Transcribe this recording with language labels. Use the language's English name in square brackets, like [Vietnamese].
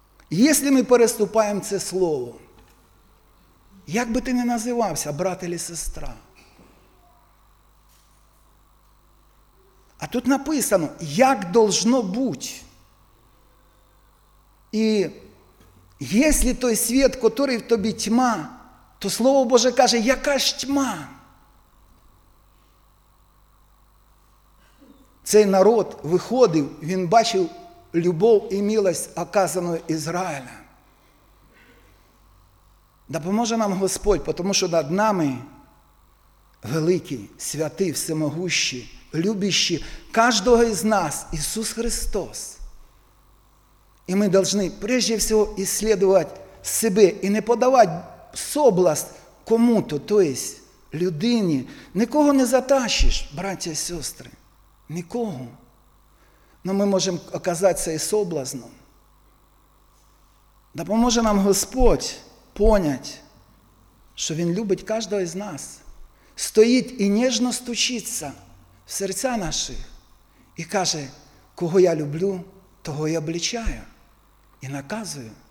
[Ukrainian] Якщо ми переступаємо це слово, як би ти не називався, брат [Russian] или [Ukrainian] сестра, а тут написано, як должно бути. І якщо той світ, який в тобі тьма, то Слово Боже каже, яка ж тьма? Цей народ виходив, він бачив [Russian] любовь и милость, оказанную Израилем. Да поможе нам Господь, потому что над нами великий, святий, всемогущий, любящий каждого из нас Иисус Христос. И мы должны прежде всего исследовать себе и не подавать соблазн кому-то, то есть людині. [Ukrainian] Нікого не затащиш, [Russian] братья и сестры, [Ukrainian] нікого. [Russian] Но мы можем оказаться и соблазном. [Ukrainian] Да поможе нам Господь понять, що Він любить кожного з нас, стоїть і ніжно стучиться в серця наших і каже, кого я люблю, того я обличаю і наказую.